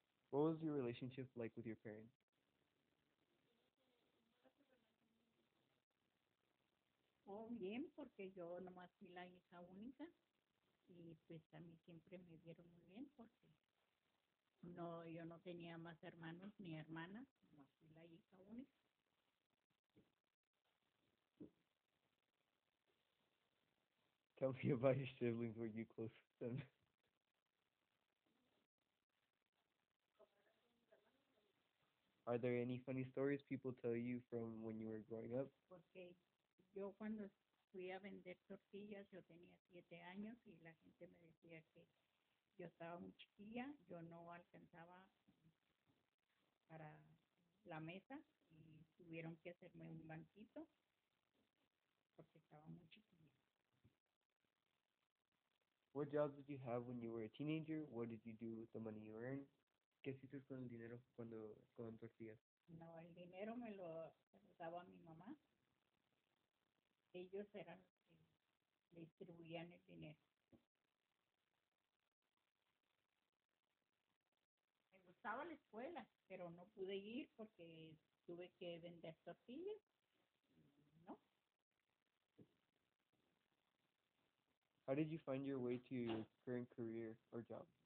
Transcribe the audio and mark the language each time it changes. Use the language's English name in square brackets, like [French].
[English] What was your relationship like with your parents? [Spanish] Oh, bien, porque yo nomás fui la hija única y pues a mí siempre me vieron muy bien porque no, yo no tenía más hermanos ni hermanas, nomás fui la hija única. [English] Tell me about your siblings. Were you close with them? Are there any funny stories people tell you from when you were growing up? [Spanish] Porque yo cuando fui a vender tortillas, yo tenía 7 años y la gente me decía que yo estaba muy chiquilla, yo no alcanzaba para la mesa y tuvieron que hacerme un banquito porque estaba muy chiquilla. [English] What jobs did you have when you were a teenager? What did you do with the money you earned? [Spanish] ¿Qué hiciste con el dinero cuando con tortillas? No, el dinero me lo daba mi mamá. Ellos eran los que distribuían el dinero. Me gustaba la escuela, pero no pude ir porque tuve que vender tortillas. [English] How did you find your way to your current career or job?